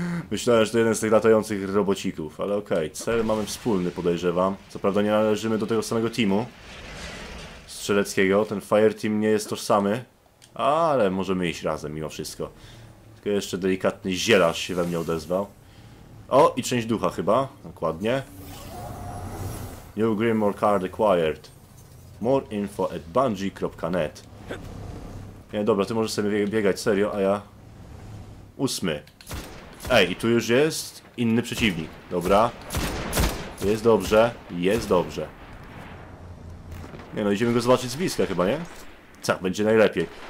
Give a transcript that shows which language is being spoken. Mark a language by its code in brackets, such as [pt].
[pl] Myślałem, że to jeden z tych latających robocików, ale okej. Okay. Cel mamy wspólny, podejrzewam. Co prawda nie należymy do tego samego teamu strzeleckiego. Ten fire team nie jest tożsamy, ale możemy iść razem mimo wszystko. Tylko jeszcze delikatny zielarz się we mnie odezwał. O, i część ducha chyba, dokładnie. [en] New Grimmore card acquired. More info at bungee.net. [pl] Nie, dobra, ty możesz sobie biegać, serio, a ja... Ósmy. Ej, i tu już jest inny przeciwnik. Dobra. Jest dobrze, jest dobrze. Nie no, idziemy go zobaczyć z bliska chyba, nie? Tak, będzie najlepiej.